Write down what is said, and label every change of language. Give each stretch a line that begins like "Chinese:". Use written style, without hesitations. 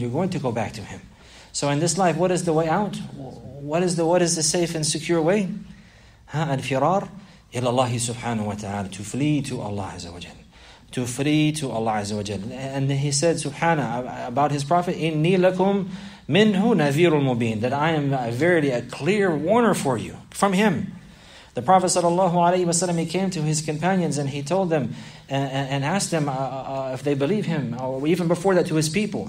English: You're going to go back to Him. So in this life, what is the way out? What is the safe and secure way?
Arabic: الفرار إلى الله سبحانه وتعالى.
English: To flee to Allah Azza wa Jal. To flee to Allah Azza wa Jal. And He said, Subhana, about His Prophet,
Arabic: إِنِّي لَكُمْ مِنْهُ نَذِيرُ الْمُبِينَ.
English: That I am verily a clear warner for you from Him. The Prophet sallallahu alaihi wasallam, he came to his companions and he told them and asked them if they believe him, or even before that to his people.